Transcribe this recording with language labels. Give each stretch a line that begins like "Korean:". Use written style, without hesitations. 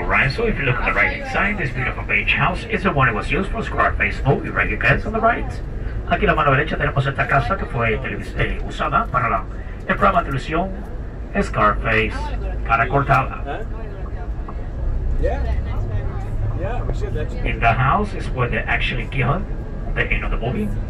English: right. So if you look at the right inside, this beautiful beige house is the one it was used for Scarface movie, right? You guys on the right.
Spanish: Aquí a la mano derecha tenemos esta casa que fue usada para el programa de televisión Scarface, Cara Cortada.
English: In the house is where they actually killed the end of the movie.